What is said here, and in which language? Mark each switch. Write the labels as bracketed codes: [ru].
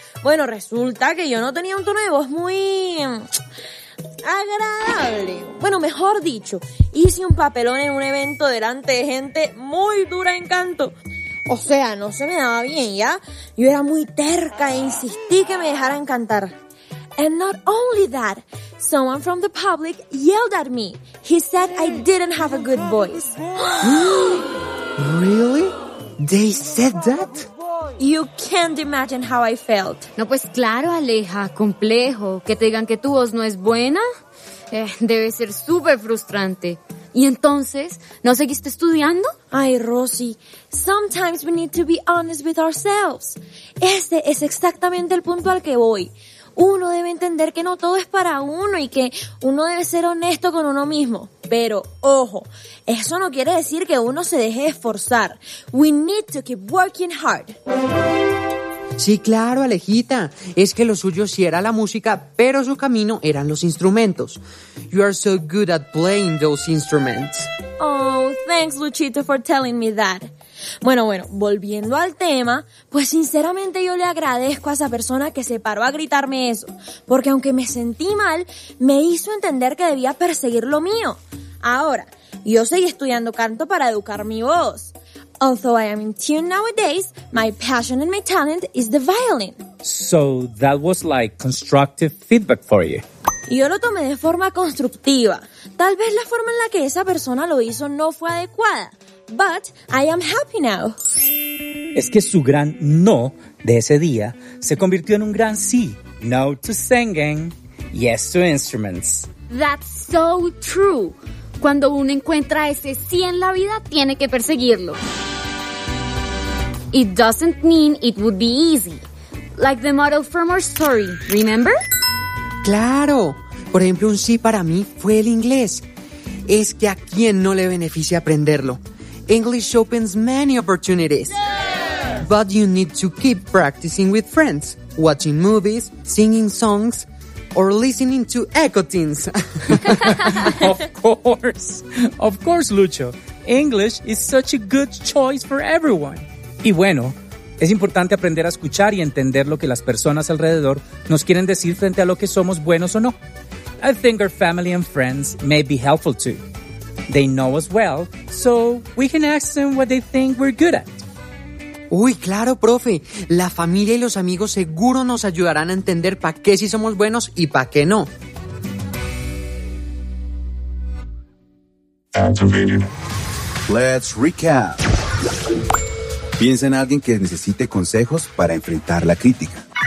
[es] Bueno, resulta que yo no tenía un tono de voz muy agradable. Bueno, mejor dicho, hice un papelón en un evento delante de gente muy dura en canto. O sea, no se me daba bien, ¿ya? Yo era muy terca e insistí que me dejaran cantar. [en] And not only that, someone from the public yelled at me. He said I didn't have a good voice. Really? They said that? You can't imagine how I felt. [es] No, pues claro, Aleja, complejo. Que te digan que tu voz no es buena, debe ser súper frustrante. ¿Y entonces, no seguiste estudiando? [en] Ay, Rosy, sometimes we need to be honest with ourselves. [es] Este es exactamente el punto al que voy. Uno debe entender que no todo es para uno y que uno debe ser honesto con uno mismo. Pero, ojo, eso no quiere decir que uno se deje esforzar. [en] We need to keep working hard. [es] Sí, claro, Alejita. Es que lo suyo sí era la música, pero su camino eran los instrumentos. [en] You are so good at playing those instruments. Oh, thanks, Luchito, for telling me that. [es] Bueno, volviendo al tema, pues sinceramente yo le agradezco a esa persona que se paró a gritarme eso, porque aunque me sentí mal, me hizo entender que debía perseguir lo mío. Ahora, yo seguí estudiando canto para educar mi voz. [en] Although I am in tune nowadays, my passion and my talent is the violin. So that was like constructive feedback for you. [es] Yo lo tomé de forma constructiva. Tal vez la forma en la que esa persona lo hizo no fue adecuada. [en] But I am happy now. [es] Es que su gran no de ese día se convirtió en un gran sí. [en] No to singing, yes to instruments. That's so true. [es] Cuando uno encuentra ese sí en la vida, tiene que perseguirlo. [en] It doesn't mean it would be easy. Like the model from our story, remember? [es] Claro. Por ejemplo, un sí para mí fue el inglés. Es que a quién no le beneficia aprenderlo. [en] English opens many opportunities. Yeah! But you need to keep practicing with friends, watching movies, singing songs, or listening to EcoTeens. Of course, Lucho. English is such a good choice for everyone. [es] Y bueno, es importante aprender a escuchar y entender lo que las personas alrededor nos quieren decir frente a lo que somos buenos o no. [en] I think our family and friends may be helpful too. They know us well, so we can ask them what they think we're good at. [es] Uy, claro, profe. La familia y los amigos seguro nos ayudarán a entender pa' qué sí somos buenos y pa' qué no. [en] Let's recap. [es] Piensa en alguien que necesite consejos para enfrentar la crítica.